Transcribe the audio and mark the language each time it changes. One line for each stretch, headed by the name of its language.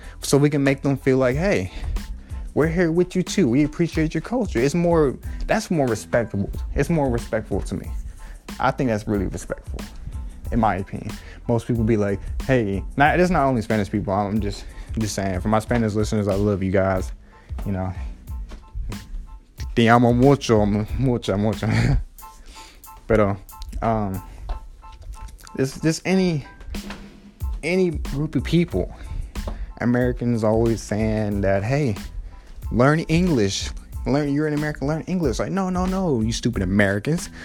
English: So we can make them feel like, "Hey, we're here with you too. We appreciate your culture." It's more respectful to me. I think that's really respectful, in my opinion. Most people be like, "Hey," now it's not only Spanish people. I'm just saying, for my Spanish listeners, I love you guys.
Spanish: You know, te amo mucho, mucho, mucho.
English: Pero, just any group of people. Americans always saying that, "Hey, learn English. You're in America, learn English." Like, no, you stupid Americans.